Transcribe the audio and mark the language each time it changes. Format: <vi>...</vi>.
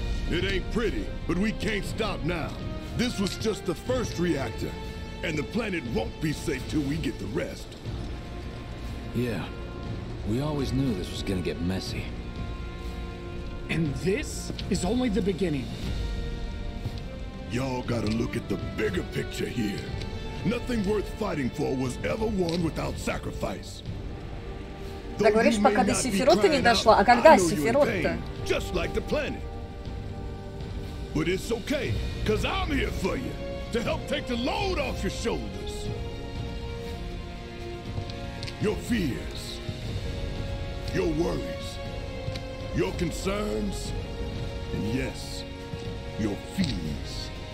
<en>It ain't pretty, but we can't stop now. This was just the first reactor, and the planet won't be safe till we get the rest. Yeah, we always knew this was gonna get messy. And this is only the beginning. Y'all gotta look at the bigger picture here. Nothing worth fighting for was ever won without sacrifice.</en> <ru>Ты говоришь, пока до Сефирота не дошла, а когда Сефирот-то?</ru> <en>Just like the planet. But it's okay, cause I'm here for you, to help take the load off your shoulders. Your fears, your worries, your concerns, and yes, your fees.</en>